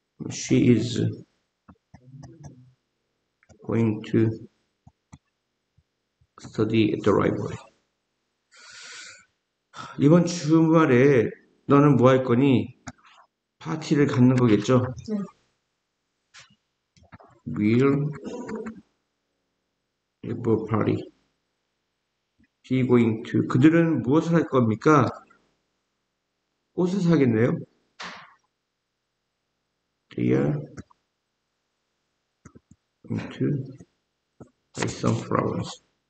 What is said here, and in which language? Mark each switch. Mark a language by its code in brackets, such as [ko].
[en] She is going to study at the library. [ko] 이번 주말에 너는 뭐할 거니? 파티를 갖는 거겠죠? [en] Will have a party. Be going to. [ko] 그들은 무엇을 할 겁니까? 옷을 사겠네요. [en] They are going to buy some flowers.